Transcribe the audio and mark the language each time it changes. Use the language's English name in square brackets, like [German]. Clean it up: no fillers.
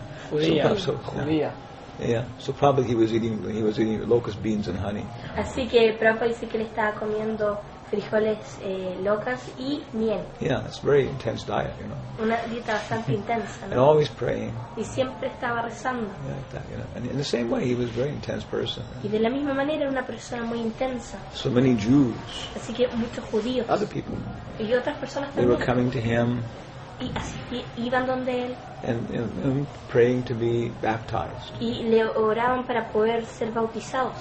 [English] So probably he was eating locust beans and honey. [Spanish] Así que Prabhupada dice que él estaba comiendo frijoles locas y miel. [English] Yeah, it's a very intense diet, you know. [Spanish] Una dieta bastante intensa, ¿no? [English] And always praying. [Spanish] Y siempre estaba rezando. [English] Yeah, like that, you know. And in the same way, he was a very intense person. [Spanish] Y de la misma manera, una persona muy intensa. [English] So many Jews. [Spanish] Así que muchos judíos. [English] Other people. [Spanish] Y otras personas también. [English] They were coming to him. [Spanish] Y así iban donde él. [English] And praying to be baptized. [Spanish] Y le oraban para poder ser bautizados.